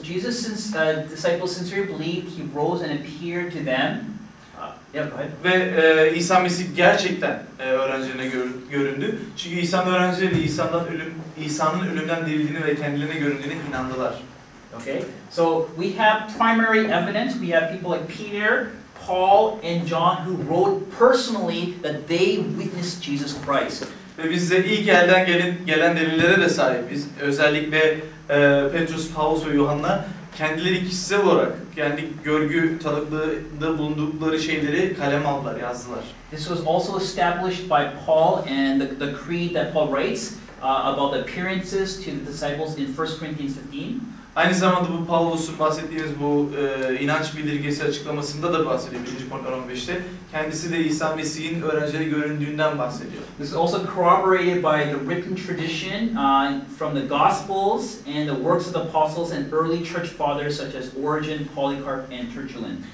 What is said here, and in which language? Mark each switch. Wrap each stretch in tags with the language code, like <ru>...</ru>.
<en>Jesus, since the disciples sincerely believed, he rose and appeared to them.</en> <tr>Ve İsa Mesih gerçekten öğrencilerine göründü. Çünkü İsa'nın öğrencileri İsa'nın ölümden dirildiğini ve kendilerine göründüğüne inandılar.</tr> <en>Okay, so we have primary evidence. We have people like Peter, Paul, and John who wrote personally that they witnessed Jesus Christ.</en> <tr>Ve biz de ilk elden gelen delillere de sahibiz. Özellikle Petrus, Paulus ve Yuhanna kendileri kişisel olarak kendi görgü tanıklığında bulundukları şeyleri kaleme aldılar, yazdılar.</tr> <en>This was also established by Paul and the creed that Paul writes about the appearances to the disciples in 1 Corinthians 15.</en> <tr>Aynı zamanda bu Paulus'un bahsettiğiniz bu inanç bildirgesi açıklamasında da bahsediyor 1. Korintliler 15'te. Kendisi de İsa Mesih'in öğrencileri göründüğünden bahsediyor.</tr> <en>This is also corroborated by the written tradition from the Gospels and the works of the Apostles and early church fathers such as Origen, Polycarp and Tertullian.</en>